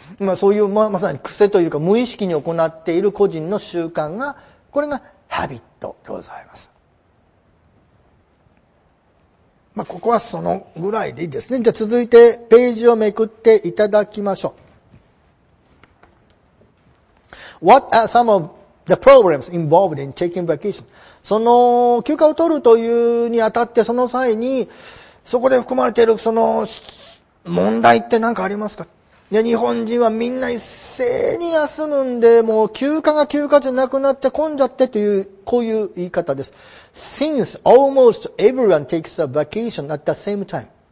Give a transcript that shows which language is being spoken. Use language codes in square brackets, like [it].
[ja] まあそういう、まさに癖というか無意識に行っている個人の習慣が、これがハビットでございます。まあここはそのぐらいでいいですね。じゃあ続いてページをめくっていただきましょう。 [en] What are some of the problems involved in taking vacation? [ja] その休暇を取るというにあたってその際に、そこで含まれているその、問題って何かありますか? 日本人はみんな一斉に休むんで、もう休暇が休暇じゃなくなって混んじゃってという、こういう言い方です。 [en] Since almost everyone takes a vacation at the same time.